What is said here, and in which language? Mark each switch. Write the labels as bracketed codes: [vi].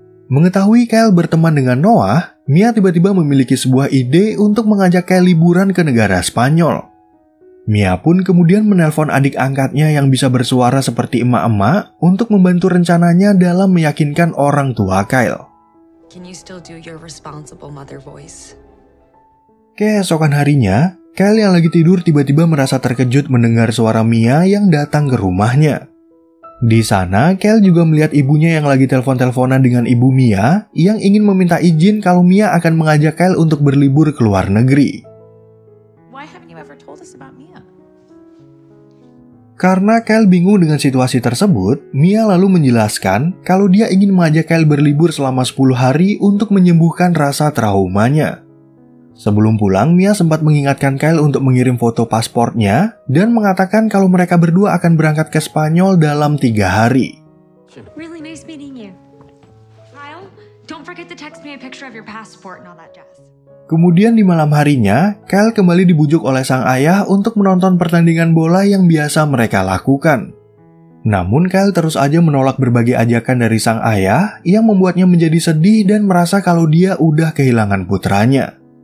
[id] Mengetahui Kyle berteman dengan Noah, Mia tiba-tiba memiliki sebuah ide untuk mengajak Kyle liburan ke negara Spanyol. Mia pun kemudian menelpon adik angkatnya yang bisa bersuara seperti emak-emak untuk membantu rencananya dalam meyakinkan orang tua Kyle. [en] Can you still do your responsible mother voice? [id] Keesokan harinya, Kyle yang lagi tidur tiba-tiba merasa terkejut mendengar suara Mia yang datang ke rumahnya. Di sana, Kyle juga melihat ibunya yang lagi telepon-teleponan dengan ibu Mia yang ingin meminta izin kalau Mia akan mengajak Kyle untuk berlibur ke luar negeri. [en] Why haven't you ever told us about Mia? [id] Karena Kyle bingung dengan situasi tersebut, Mia lalu menjelaskan kalau dia ingin mengajak Kyle berlibur selama 10 hari untuk menyembuhkan rasa traumanya. Sebelum pulang, Mia sempat mengingatkan Kyle untuk mengirim foto pasportnya dan mengatakan kalau mereka berdua akan berangkat ke Spanyol dalam 3 hari. [en] Really nice meeting you. Kyle, don't forget to text me a picture of your passport and all that jazz. [id] Kemudian di malam harinya, Kyle kembali dibujuk oleh sang ayah untuk menonton pertandingan bola yang biasa mereka lakukan. Namun Kyle terus aja menolak berbagai ajakan dari sang ayah yang membuatnya menjadi sedih dan merasa kalau dia udah kehilangan putranya.